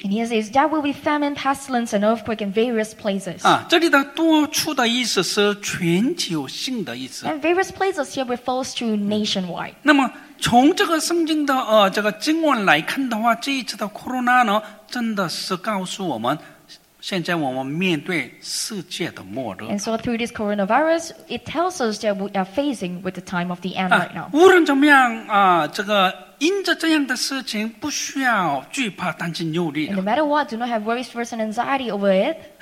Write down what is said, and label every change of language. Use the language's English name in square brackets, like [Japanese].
[English] And he says there will be famine, pestilence and earthquake in various places [Chinese] 这里的多处的意思是全球性的意思 [English] And various places here refers to nationwide [Chinese] 那么 从这个圣经的经文来看的话，这一次的 corona 呢，真的是告诉我们，现在我们面对世界的末日。 [English] And so through this coronavirus, it tells us that we are facing with the time of the end right now. [Chinese] 无论怎么样，这个因着这样的事情，不需要惧怕、担心、忧虑。 [English] And no matter what, do not have worries, fears, and anxiety over it.